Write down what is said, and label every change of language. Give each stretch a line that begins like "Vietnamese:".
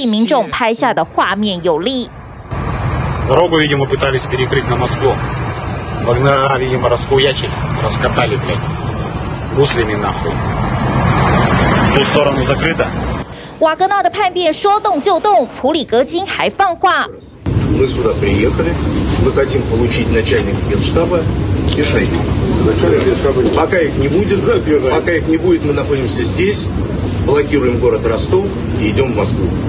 Chinese: 称瓦格纳挑衅分裂，普里格金已经遭到联邦安全局刑事起诉。不过，这想要维稳的官方声明远不及各地民众拍下的画面有力。
Russian: Дорогу, видимо, пытались перекрыть на Москву. Вагнера, видимо, расхуячили, раскатали, блядь, гуслями нахуй. В ту сторону закрыто.
Chinese: 瓦格纳的叛变说动就动，普里格金还放话。
Russian: Мы сюда приехали, мы хотим получить начальника генштаба и шайки. Начальник генштаба. Пока их не будет, пока их не будет, мы находимся здесь, блокируем город Ростов и идем в Москву.